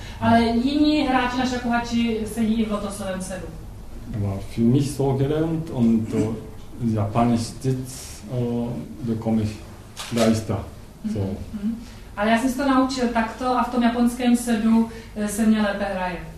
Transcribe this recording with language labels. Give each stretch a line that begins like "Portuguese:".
Czech: Ale jiní hráči na šakuhači sedí i v lotosovém sedu.
German: War für mich so gelernt und japanisch sitz bekomme ich leichter. So.
Czech: Ale já jsem si to naučil takto a v tom japonském sedu se mě lépe hraje.